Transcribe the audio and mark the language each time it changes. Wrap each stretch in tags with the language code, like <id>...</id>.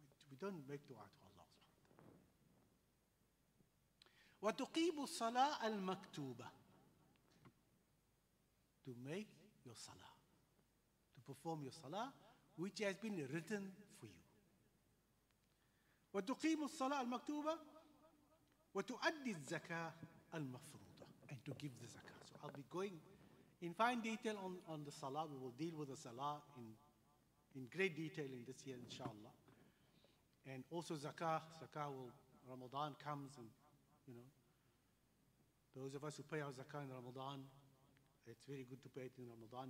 <en>We don't make dua to Allah.</en> <ar>وَتُقِيبُ الصَّلَاةَ الْمَكْتُوبَةِ</ar> <en>To make your salah. To perform your salah, which has been written for you.</en> <ar>وَتُقِيمُ الصَّلَاةَ الْمَكْتُوبَةَ وَتُؤَدِّ الزَّكَاةَ الْمَفْرُوضَةَ</ar> <en>And to give the zakah. So I'll be going in fine detail on the salah. We will deal with the salah in great detail in this year, inshallah. And also zakah will, Ramadan comes, and you know, those of us who pay our zakah in Ramadan, it's very good to pay it in Ramadan.</en>